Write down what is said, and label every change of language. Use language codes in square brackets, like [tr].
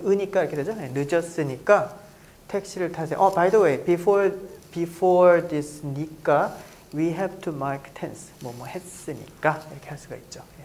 [ko] 으니까 이렇게 되잖아요. 늦었으니까 택시를 타세요. [en] Oh, by the way, before this 니까, we have to mark tense. [ko] 뭐뭐 했으니까 이렇게 할 수가 있죠.